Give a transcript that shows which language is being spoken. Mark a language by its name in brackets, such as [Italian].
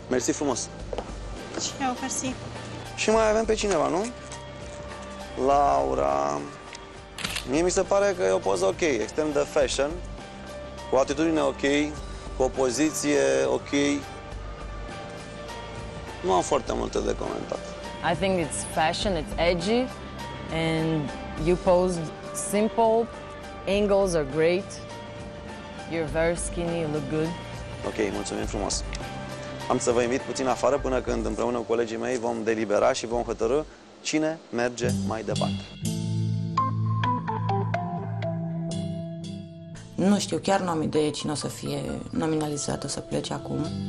[Romanian] Mersi frumos! Și eu, mersi! Și mai avem pe cineva, nu? Laura... Mie mi se pare că e o poză ok, extrem de fashion, cu atitudine ok, cu o poziție ok. Nu am foarte multe de comentat. [English] I think it's fashion, it's edgy, and you posed simple, angles are great, you're very skinny, you look good. [Romanian] Ok, mulțumim frumos. Am să vă invit puțin afară până când împreună cu colegii mei vom delibera și vom hotărâ cine merge mai departe. Nu știu, chiar nu am idee cine o să fie nominalizat, o să plece acum.